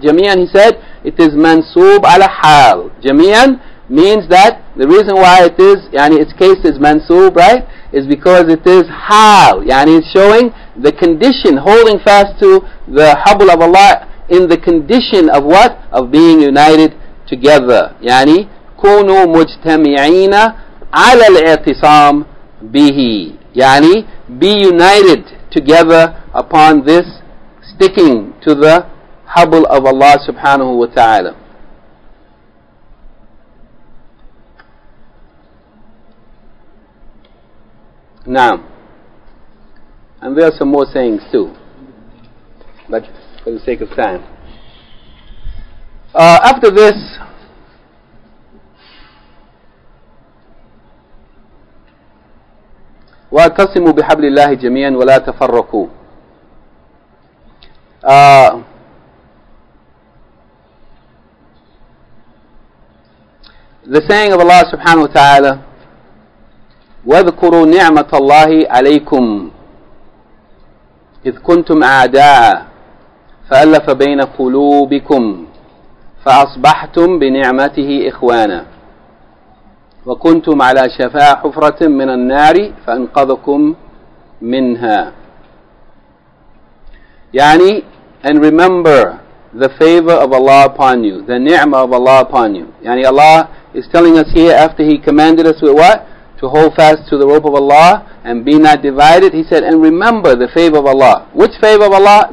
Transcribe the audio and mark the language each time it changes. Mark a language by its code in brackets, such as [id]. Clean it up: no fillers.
[en] Jami'an, he said, it is mansub ala hal. Jami'an means that the reason why it is, yani its case is mansub, right, is because it is hal. Yani it's showing the condition, holding fast to the habl of Allah in the condition of what? Of being united together. [ar] Yani, كونوا مجتمعين على الاعتصام به. [en] Yani, be united together upon this sticking to the habl of Allah subhanahu wa ta'ala. [ar] Naam. [en] And there are some more sayings too, but for the sake of time. After this, [ar] وَاتَصِمُوا بِحَبْلِ اللَّهِ جَمِيعًا وَلَا تَفَرَّقُوا. [en] The saying of Allah subhanahu wa ta'ala, [ar] وَذْكُرُوا نِعْمَةَ اللَّهِ عَلَيْكُمْ إِذْ كُنْتُمْ أَعْدَاءً فَأَلَّفَ بَيْنَ قُلُوبِكُمْ فَأَصْبَحْتُمْ بِنِعْمَتِهِ إِخْوَانًا وَكُنْتُمْ عَلَى شَفَا حُفْرَةٍ مِّنَ النَّارِ فَأَنْقَذُكُمْ مِنْهَا. [en] Yani, and remember the favor of Allah upon you, the ni'mah of Allah upon you. Yani Allah is telling us here, after He commanded us with what? To hold fast to the rope of Allah and be not divided. He said, and remember the favor of Allah. Which favor of Allah?